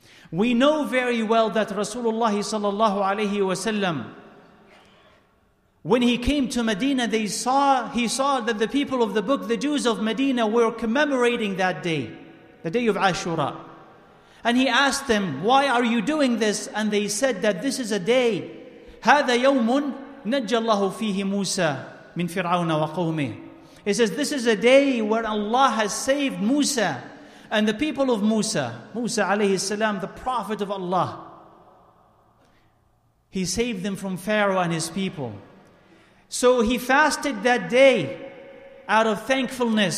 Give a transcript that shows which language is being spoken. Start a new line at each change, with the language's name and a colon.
English: We know very well that Rasulullah sallallahu alayhi wa sallam, when he came to Medina, he saw that the people of the book, the Jews of Medina, were commemorating that day, the day of Ashura. And he asked them, why are you doing this? And they said that this is a day.
Arabic: هذا يوم نجى الله فيه موسى من فرعون وقومه.
English: He says, this is a day where Allah has saved Musa and the people of Musa. Musa alayhi salam, the prophet of Allah. He saved them from Pharaoh and his people. So he fasted that day out of thankfulness.